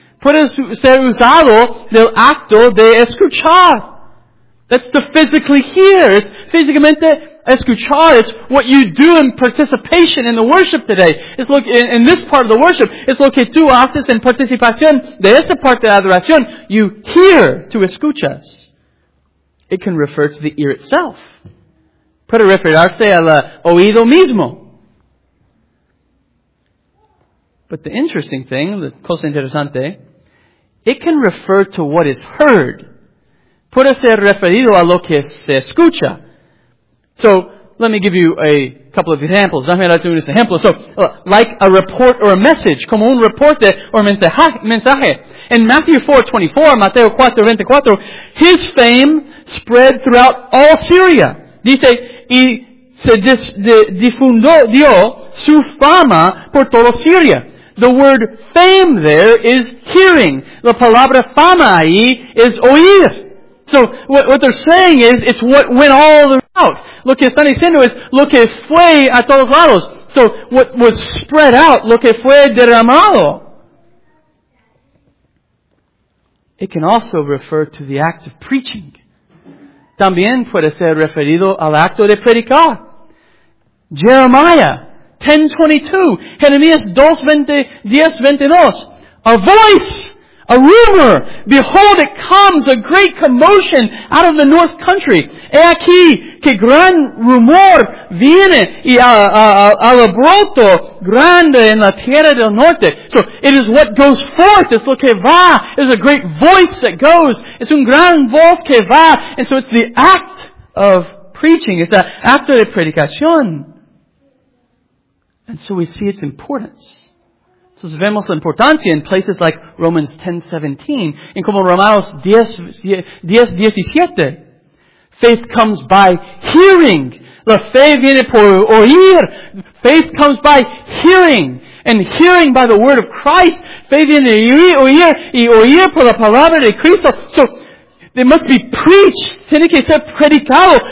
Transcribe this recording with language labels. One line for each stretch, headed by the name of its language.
Spanish: Puede ser usado del acto de escuchar.
English: That's to physically hear. It's
Spanish: físicamente escuchar.
English: It's what you do in participation in the worship today. It's look in this part of the worship.
Spanish: It's lo que tú haces en participación de esta parte de adoración. You hear to escuchas.
English: It can refer to the ear itself.
Spanish: Puede referirse al oído mismo.
English: But the interesting thing, the
Spanish: cosa interesante,
English: it can refer to what is heard.
Spanish: Puede ser referido a lo que se escucha.
English: So, let me give you a couple of examples.
Spanish: Déjame darte unos ejemplos.
English: So, like a report or a message.
Spanish: Como un reporte o mensaje.
English: In Mateo 4:24, his fame spread throughout all Syria.
Spanish: Dice, y se difundió su fama por toda Siria.
English: The word fame there is hearing.
Spanish: La palabra fama ahí
English: is
Spanish: oír.
English: So what they're saying is it's what went all out.
Spanish: Lo que están diciendo es lo que fue a todos lados.
English: So what was spread out,
Spanish: lo que fue derramado.
English: It can also refer to the act of preaching.
Spanish: También puede ser referido al acto de predicar.
English: Jeremiah 10:22, Jeremías 2:20, 10:22. A voice. A rumor, behold, it comes, a great commotion out of the north country.
Spanish: He aquí, que gran rumor viene, y al abroto grande en la tierra del norte.
English: So, it is what goes forth, it's
Spanish: lo que va,
English: it's a great voice that goes, it's
Spanish: un gran voz que va,
English: and so it's the act of preaching, it's the act of the predicación. And so we see its importance.
Spanish: Entonces vemos la importancia en
English: places like Romans 10:17,
Spanish: en como Romanos 10:17.
English: Faith comes by hearing.
Spanish: La fe viene por oír.
English: Faith comes by hearing. And hearing by the word of Christ.
Spanish: Fe viene oír y oír por la palabra de Cristo.
English: So, it must be preached.
Spanish: Tiene que ser predicado.